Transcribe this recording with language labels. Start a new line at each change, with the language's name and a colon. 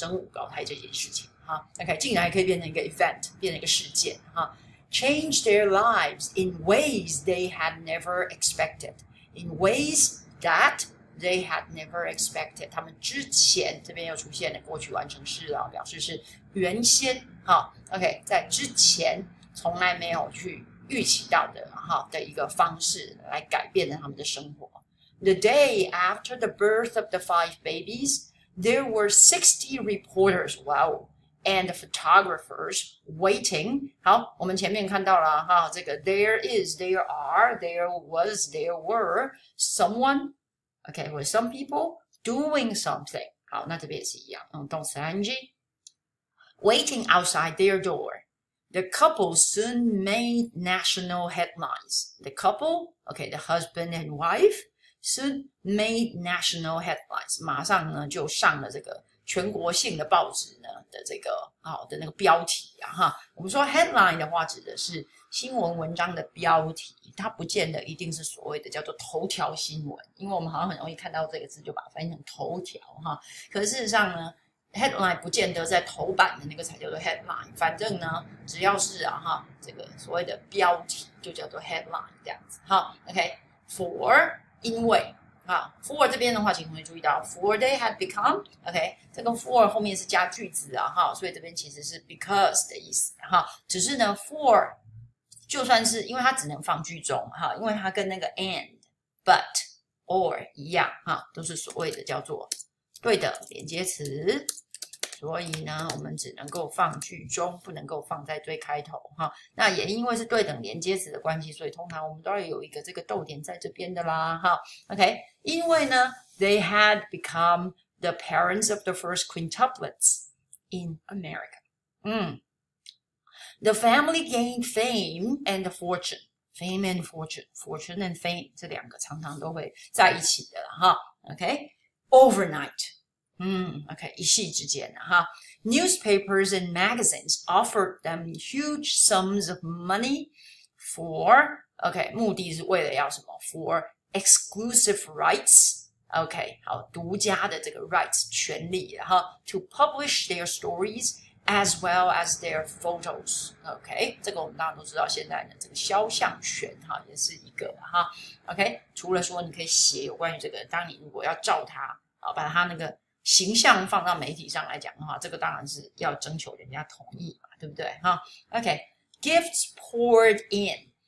Chinese: 生五胞胎这件事情，哈 ，OK， 竟然还可以变成一个 event， 变成一个事件，哈 ，
English: change their lives in ways they had never expected,
Chinese: in ways that they had never expected。他们之前这边又出现了过去完成式啊，表示是原先，哈 ，OK， 在之前从来没有去预期到的，哈的一个方式来改变了他们的生活。
English: The day after the birth of the five babies, there were 60 reporters, wow, and photographers waiting.
Chinese: 好，我们前面看到了哈，这个
English: there is, there are, there was, there were someone, okay, with some people doing something.
Chinese: 好，那这边也是一样，动词 ing,
English: waiting outside their door. The couple soon made national headlines. The couple, okay, the husband and wife, soon made national headlines.
Chinese: 马上呢就上了这个全国性的报纸呢的这个好的那个标题啊哈。我们说 headline 的话指的是新闻文章的标题，它不见得一定是所谓的叫做头条新闻，因为我们好像很容易看到这个字就把它翻译成头条哈。可是事实上呢，Headline 不见得在头版的那个才叫做 headline， 反正呢，只要是啊哈，这个所谓的标题就叫做 headline 这样子。好 ，OK， for 因为啊 ，for 这边的话，请同学注意到 ，
English: for they had become，
Chinese: OK， 这个 for 后面是加句子啊哈，所以这边其实是 because 的意思哈，只是呢 ，for 就算是因为它只能放句中哈，因为它跟那个 and、but、or 一样哈，都是所谓的叫做。对的连接词，所以呢我们只能够放句中，不能够放在最开头哈。那也因为是对等连接词的关系，所以通常我们都要有一个这个逗点在这边的啦哈。
English: OK，
Chinese: 因为呢
English: they had become the parents of the first quintuplets in America、the family gained fame and fortune， fame and fortune， fortune and fame
Chinese: 这两个常常都会在一起的啦哈。 OKOvernight. OK, 一夕之间啊哈。
English: Newspapers and magazines offered them huge sums of money for, OK,
Chinese: 目的是为了要什么
English: ?For exclusive rights.
Chinese: OK, 好，独家的这个 rights, 权利啊哈。
English: To publish their stories as well as their photos.
Chinese: OK, 这个我们大家都知道现在的这个肖像权哈也是一个哈。 OK, 除了说你可以写有关于这个当你如果要照它把他那个形象放到媒体上来讲的话，这个当然是要征求人家同意嘛，对不对？
English: OK, gifts poured in.